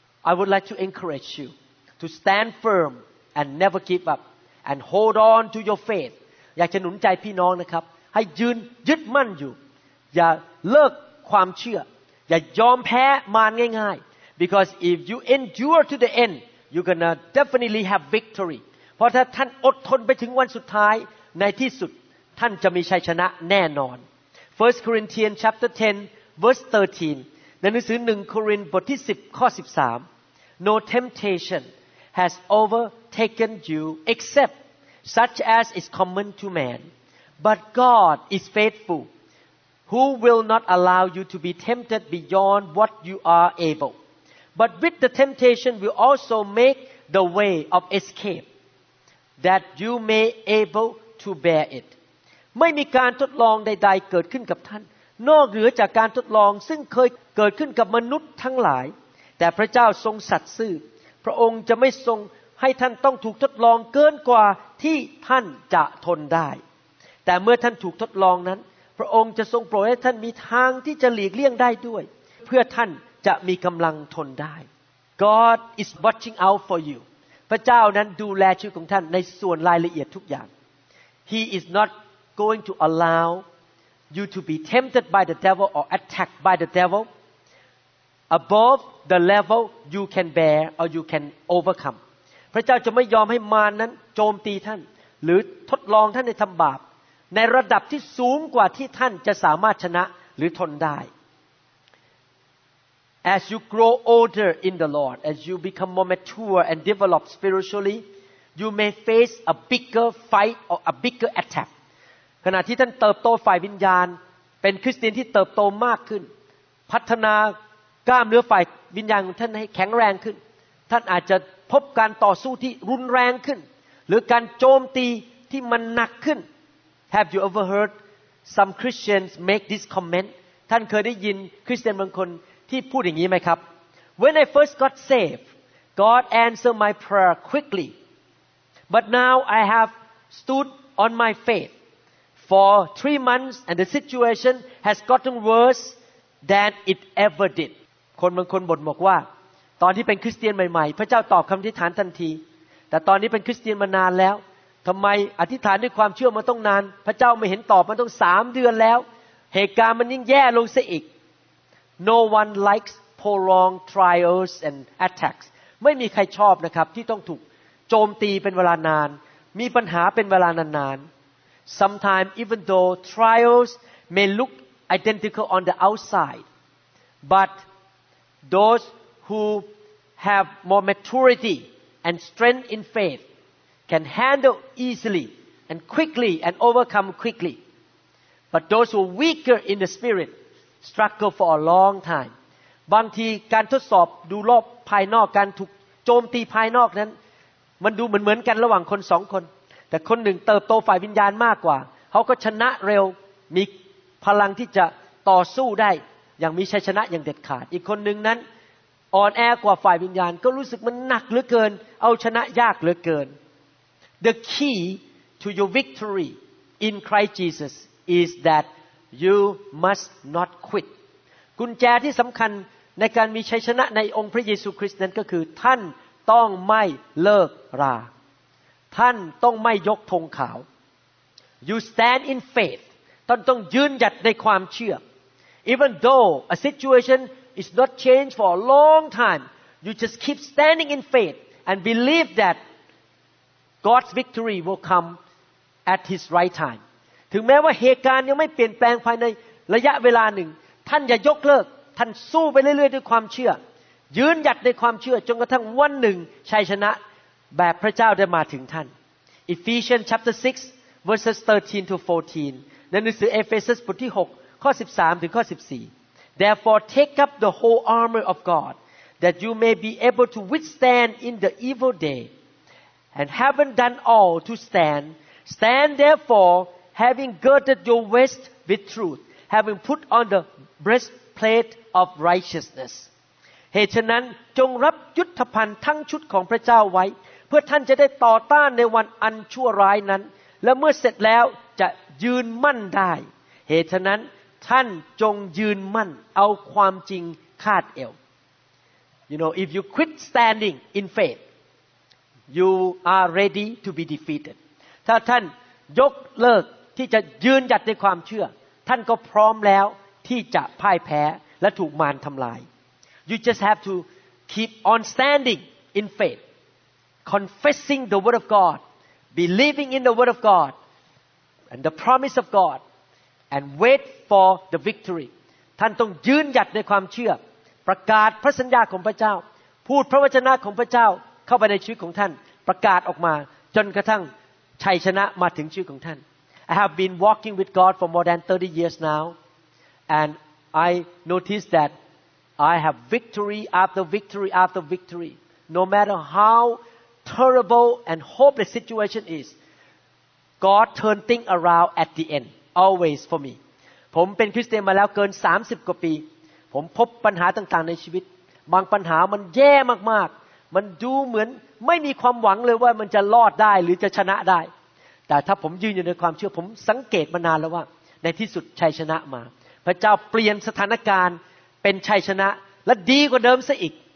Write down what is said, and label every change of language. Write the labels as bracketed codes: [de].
[en] I would like to encourage you to stand firm and never give up and hold on to your faith [th] อยากจะหนุนใจพี่น้องนะครับให้ยืนยึดมั่นอยู่อย่าเลิกความเชื่ออย่ายอมแพ้มารง่ายๆ [en] Because if you endure to the end, you're gonna definitely have victory. [th] เพราะถ้าท่านอดทนไปถึงวันสุดท้ายในที่สุดท่านจะมีชัยชนะแน่นอน [en] 1 Corinthians chapter 10 verse 13 [th] ในหนังสือ1โครินธ์บทที่10ข้อ13 [en] No temptation has overtaken you except such as is common to man. But God is faithful, who will not allow you to be tempted beyond what you are able. But with the temptation will also make the way of escape that you may able to bear it. [th] ไม่มีการทดลองใดๆเกิดขึ้นกับท่านนอกเหนือจากการทดลองซึ่งเคยเกิดขึ้นกับมนุษย์ทั้งหลายแต่พระเจ้าทรงสัตย์ซื่อพระองค์จะไม่ทรงให้ท่านต้องถูกทดลองเกินกว่าที่ท่านจะทนได้แต่เมื่อท่านถูกทดลองนั้นพระองค์จะทรงโปรดให้ท่านมีทางที่จะหลีกเลี่ยงได้ด้วยเพื่อท่านจะมีกำลังทนได้ [en] God is watching out for you [th] พระเจ้านั้นดูแลชีวิตของท่านในส่วนรายละเอียดทุกอย่าง [en] He is not going to allow you to be tempted by the devil or attacked by the devil above the level you can bear or you can overcome [th] พระเจ้าจะไม่ยอมให้มารนั้นโจมตีท่านหรือทดลองท่านในทำบาปในระดับที่สูงกว่าที่ท่านจะสามารถชนะหรือทนได้ [en] As you grow older in the Lord, as you become more mature and develop spiritually, you may face a bigger fight or a bigger attack. [th] ขณะที่ท่านเติบโตฝ่ายวิญญาณเป็นคริสเตียนที่เติบโตมากขึ้นพัฒนากล้ามเนื้อฝ่ายวิญญาณของท่านให้แข็งแรงขึ้นท่านอาจจะพบการต่อสู้ที่รุนแรงขึ้นหรือการโจมตี ที่มันหนักขึ้น [en] Have you ever heard some Christians make this comment? [th] ท่านเคยได้ยินคริสเตียนบางคนที่พูดอย่างนี้ไหมครับ [en] When I first got saved, God answered my prayer quickly. But now I have stood on my faith for 3 months and the situation has gotten worse than it ever did. [th] คนบางคนบ่นบอกว่าตอนที่เป็นคริสเตียนใหม่ๆพระเจ้าตอบคำอธิษฐานทันทีแต่ตอนนี้เป็นคริสเตียนมานานแล้วทำไมอธิษฐานด้วยความเชื่อมาต้องนานพระเจ้าไม่เห็นตอบมาต้อง3 เดือนแล้วเหตุการณ์มันยิ่งแย่ลงซะอีก [en] No one likes prolonged trials and attacks [th] ไม่มีใครชอบนะครับที่ต้องถูกโจมตีเป็นเวลานานมีปัญหาเป็นเวลานานๆ [en] Sometimes even though trials may look identical on the outside but those who have more maturityand strength in faith can handle easily and quickly and overcome quickly but those who are weaker in the spirit struggle for a long time [th] บางทีการทดสอบดูรอบภายนอกการถูกโจมตีภายนอกนั้นมันดูเหมือนกันระหว่างคน2 คนแต่คนหนึ่งเติบโตฝ่ายวิญญาณมากกว่าเขาก็ชนะเร็วมีพลังที่จะต่อสู้ได้อย่างมีชัยชนะอย่างเด็ดขาดอีกคนหนึ่งนั้น อ่อนแอกว่าฝ่ายวิญญาณก็รู้สึกมันหนักเหลือเกินเอาชนะยากเหลือเกิน [en] The key to your victory in Christ Jesus is that you must not quit [th] กุญแจที่สำคัญในการมีชัยชนะในองค์พระเยซูคริสต์นั้นก็คือท่านต้องไม่เลิกราท่านต้องไม่ยกธงขาว [en] You stand in faith [th] ท่านต้องยืนหยัดในความเชื่อ [en] Even though a situationIt's not changed for a long time. You just keep standing in faith and believe that God's victory will come at His right time. [th] ถึงแม้ว่าเหตุการณ์ยังไม่เปลี่ยนแปลงภายในระยะเวลาหนึ่งท่านอย่ายกเลิกท่านสู้ไปเรื่อยๆด้วยความเชื่อยืนหยัดในความเชื่อจนกระทั่งวันหนึ่งชัยชนะแบบพระเจ้าได้มาถึงท่าน [en] Ephesians chapter 6 verses 13 to 14 [th] ในหนังสือเอเฟซัสบทที่6ข้อ13ถึงข้อ14 [en] Therefore, take up the whole armor of God, that you may be able to withstand in the evil day. And having done all to stand, stand therefore, having girded your waist with truth, having put on the breastplate of righteousness. [th] เหตุฉะนั้นจงรับยุทธภัณฑ์ทั้งชุดของพระเจ้าไว้เพื่อท่านจะได้ต่อต้านในวันอันชั่วร้ายนั้นและเมื่อเสร็จแล้วจะยืนมั่นได้เหตุฉะนั้นท่านจงยืนมั่นเอาความจริงคาดเอว [en] You know if you quit standing in faith you are ready to be defeated [th] ถ้าท่านยกเลิกที่จะยืนหยัดในความเชื่อท่านก็พร้อมแล้วที่จะพ่ายแพ้และถูกมารทำลาย [en] You just have to keep on standing in faith confessing the word of God believing in the word of God and the promise of GodAnd wait for the victory. [th] ท่านต้องยืนหยัดในความเชื่อประกาศพระสัญญาของพระเจ้าพูดพระวจนะของพระเจ้าเข้าไปในชีวิตของท่านประกาศออกมาจนกระทั่งชัยชนะมาถึงชีวิตของท่าน [en] I have been walking with God for more than 30 years now. And I noticed that I have victory after victory after victory. No matter how terrible and hopeless situation is, God turned things around at the end. Always for me. [th] ผมเป็นคริสเตียนมาแล้วเกิน30 กว่าปีผมพบปัญหาต่างๆในชีวิตบางปัญหามันแย่มากๆมันดูเหมือนไม่มีความหวังเลยว่ามันจะรอดได้หรือจะชนะได้แต่ถ้าผมยืนอยู่ในความเชื่อผมสังเกตมานานแล้วว่าในที่สุดชัยชนะมาพระเจ้าเปลี่ยนสถานการณ์เป็นชัยชนะและดีกว่าเดิมซะอีก